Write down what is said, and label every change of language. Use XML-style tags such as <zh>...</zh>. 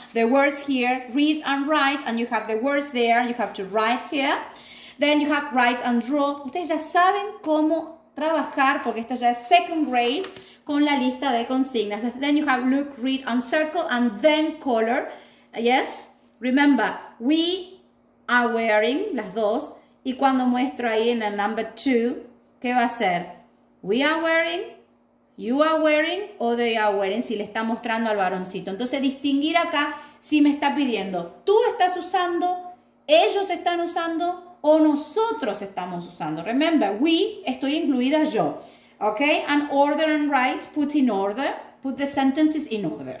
<en>The words here, read and write, and you have the words there, you have to write here. Then you have write and draw.</en> <es>Ustedes ya saben cómo trabajar, porque esto ya es</es> <en>second grade,</en> <es>con la lista de consignas.</es> <en>Then you have look, read, and circle, and then color. Yes? Remember, we are wearing,</en> <es>las dos, y cuando muestro ahí en el</es> <en>number two,</en> <es>¿qué va a ser?</es> <en>We are wearing, you are wearing, o they are wearing,</en> <es>si le está mostrando al varoncito. Entonces, distinguir acá si me está pidiendo, tú estás usando, ellos están usando, o nosotros estamos usando.</es> <en>Remember, we,</en> <es>estoy incluida yo. ¿Ok?</es> <en>And order and write, put in order, put the sentences in order.</en>